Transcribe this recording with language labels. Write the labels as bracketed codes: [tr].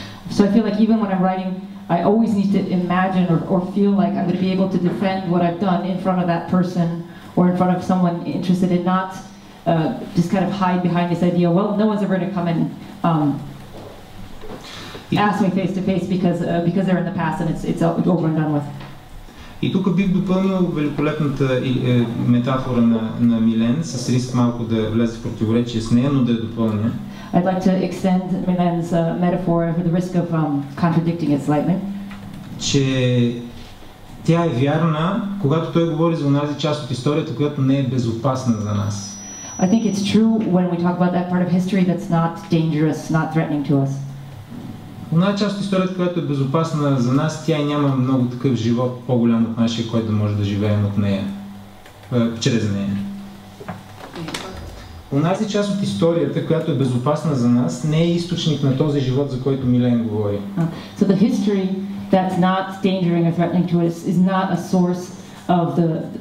[en] So I feel like even when I'm writing, I always need to imagine or feel like I'm going to be able to defend what I've done in front of that person or in front of someone interested and not just kind of hide behind this idea, well, no one's ever going to come and ask me face to face because they're in the past and it's over and done with. [bg] И тук бих допълнил великолепната метафора на Милен, с риск малко да влезе в противоречие с нея, но да я допълня. [en] I'd like to extend Milan's metaphor for the risk of contradicting it slightly. [bg] Че тя е вярна, когато той говори за онази част от историята, която не е безопасна за нас. [en] I think it's true when we talk about that part of history that's not dangerous, not threatening to us. [bg] Онази част от историята, която е безопасна за нас, тя няма много такъв живот по-голям от нашия, който може да живеем от нея, чрез нея. Онази част от историята, която е безопасна за нас, не е източник на този живот, за който Милен говори. [en] So the history that's not dangerous or threatening to us is not a source of